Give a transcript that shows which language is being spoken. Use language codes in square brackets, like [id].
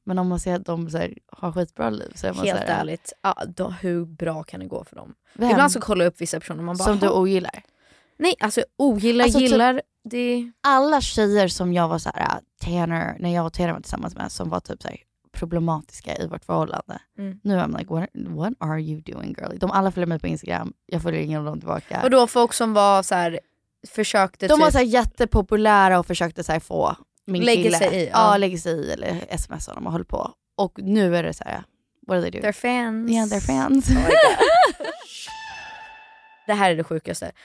[sv] Men om man ser att de så här, har skitbra liv så är man helt så här, ärligt, ja, då, hur bra kan det gå för dem? Vem? Ibland så kolla upp vissa personer. Man bara, som du ogillar? Nej, alltså ogillar, alltså, gillar. Det... Alla tjejer som jag var så här, Tanner, när jag och Tanner var tillsammans med, som var typ så här, problematiska i vårt förhållande. Mm. Nu [en] I'm like, what are you doing, girl? [sv] De alla följer mig på Instagram. Jag följer ingen av dem tillbaka. Och då folk som var så här, försökte de typ... var så här, jättepopulära och försökte så här, få min lägga kille. Sig i. Ja, lägga sig i eller sms honom och höll på. Och nu är det så här, [en] what are they doing? They're fans. Yeah, they're fans. Oh my God. [sv] Det här är det sjukaste.